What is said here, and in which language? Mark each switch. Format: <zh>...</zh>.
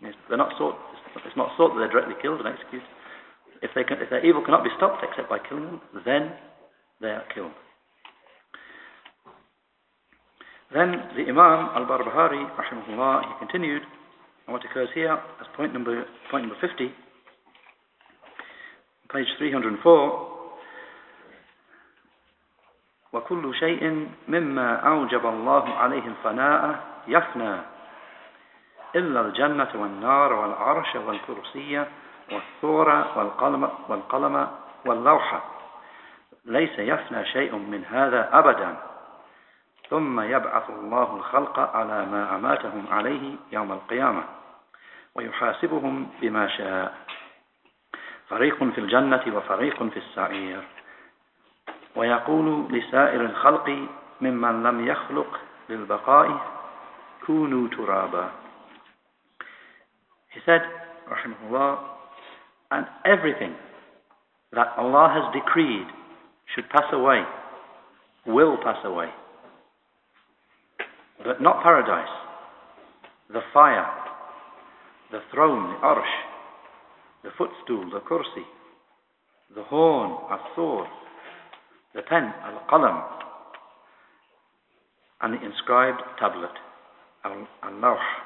<en>It's not sought that they're directly killed and executed. If their evil cannot be stopped except by killing them, then they are killed. Then the Imam al-Barbahari, rahimahullah, he continued, and what occurs here as point number 50, page 304.</en> <ar>وكل شيء مما أوجب الله عليه الفناء يفنى إلا الجنة والنار والعرش والكرسي والثور والقلم واللوحة ليس يفنى شيء من هذا أبدا ثم يبعث الله الخلق على ما أماتهم عليه يوم القيامة ويحاسبهم بما شاء فريق في الجنة وفريق في السعير ويقول لسائر الخلق ممن لم يخلق للبقاء كونوا ترابا.</ar> <en>He said, rahimahullah, and everything that Allah has decreed should pass away, will pass away. But not paradise, the fire, the throne, the arsh, the footstool, the kursi, the horn, al-thur, the pen, al-qalam, and the inscribed tablet, al-lawh.</en>